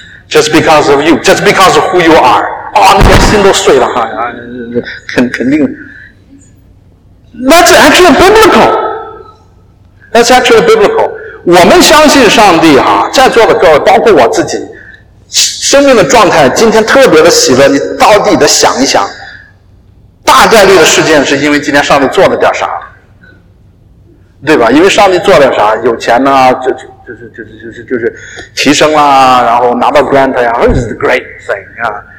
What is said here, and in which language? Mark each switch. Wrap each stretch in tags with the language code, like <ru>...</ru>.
<en>Just because of you, just because of who you are.</en> <zh>啊，你的心都碎了哈，肯定。</zh> <en>That's actually biblical. That's actually biblical.</en> <zh>我们相信上帝哈，在座的各位，包括我自己，生命的状态今天特别的喜乐。你到底的想一想，大概率的事件是因为今天上帝做了点啥，对吧？因为上帝做了啥，有钱呐、啊，就是提升啦、啊，然后拿到 grant 呀、啊、，</zh> <en>it's a great thing</en> <zh>啊。</zh>